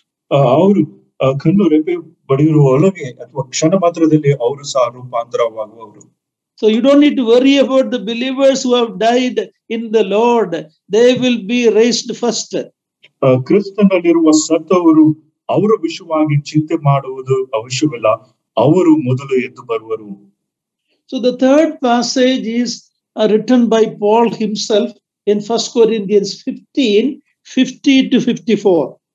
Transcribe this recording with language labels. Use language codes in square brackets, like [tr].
[kn] ಅವರು ಕಣ್ಣು ರೆಪ್ಪೆ ಬಡಿಯುವ ಒಳಗೆ ಅಥವಾ ಕ್ಷಣ ಮಾತ್ರದಲ್ಲಿ ಅವರು ಸಹ ರೂಪಾಂತರವಾಗುವವರು. [en] So you don't need to worry about the believers who have died in the Lord. They will be raised first. [kn] ಕ್ರಿಸ್ತನಲ್ಲಿರುವ ಸತ್ತವರು ಅವರ ವಿಷಯವಾಗಿ ಚಿಂತೆ ಮಾಡುವುದು ಅವಶ್ಯವಿಲ್ಲ. ಅವರು ಮೊದಲು ಎದ್ದು ಬರುವರು. [en] So the third passage is written by Paul himself in 1 Corinthians 15:50-54.